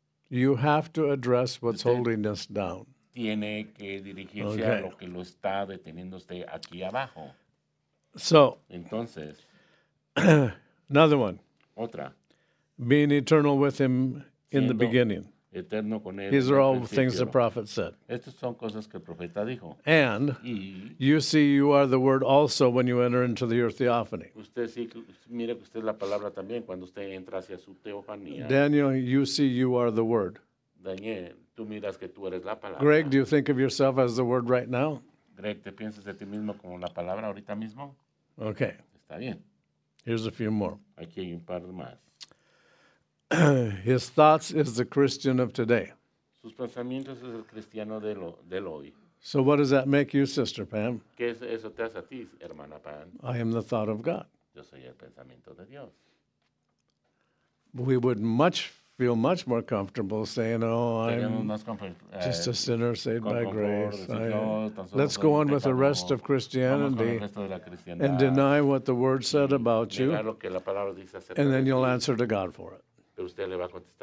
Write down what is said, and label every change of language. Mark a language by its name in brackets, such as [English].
[English] You have to address what's holding us down. [Spanish] Tiene que dirigirse okay. a lo que lo está deteniendo usted aquí abajo. [English] So, [Spanish] entonces, [English] another one. [Spanish] Otra. [English] Being eternal with him in the beginning. [Spanish] Eterno con él. [English] These are all things the prophet said. [Spanish] Estas son cosas que el profeta dijo. [English] And [Spanish] y, [English] you see you are the word also when you enter into your theophany. [Spanish] Usted sí, mire que usted es la palabra también cuando usted entra hacia su teofanía. [English] Daniel, you see you are the word. [Spanish] Daniel. tú miras que tú eres la palabra. [English] Greg, do you think of yourself as the word right now? [Spanish] Greg, ¿te piensas de ti mismo como la palabra ahorita mismo? [English] Okay. [Spanish] Está bien. [English] Here's a few more. [Spanish] Aquí hay un par más. [English] His thoughts is the Christian of today. [Spanish] Sus pensamientos es el cristiano del hoy. [English] So what does that make you, Sister Pam? [Spanish] ¿Qué es, eso te hace a ti, hermana Pam? [English] I am the thought of God. [Spanish] Yo soy el pensamiento de Dios. [English] We would much feel much more comfortable saying, oh, I'm just a sinner saved by grace. Let's go on with the rest of Christianity and deny what the Word said about you, and then you'll answer to God for it.